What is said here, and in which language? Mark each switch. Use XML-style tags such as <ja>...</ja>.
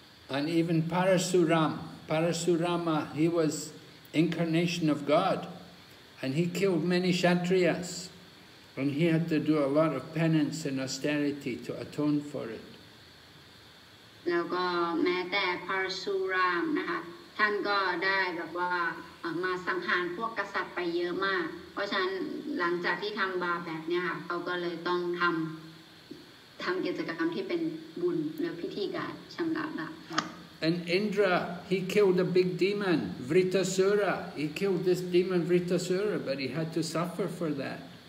<en>And even ParasuramParasurama, he was incarnation of God, and he killed many Kshatriyas, and he had to do a lot of penance and austerity to atone for it.</en> <th>แล้วก็แม้แต่ Parasuram นะคะท่านก็ได้แบบว่ามาสังหารพวกกษัตริย์ไปเยอะมากเพราะฉะนั้นหลังจากที่ทำบาปแบบนี้ค่ะเขาก็เลยต้องทำกิจกรรมที่เป็นบุญหรือพิธีการชำระบาป</th> <en>And Indra, he killed a big demon, Vritasura. He killed this demon, Vritasura, but he had to suffer for that.</en>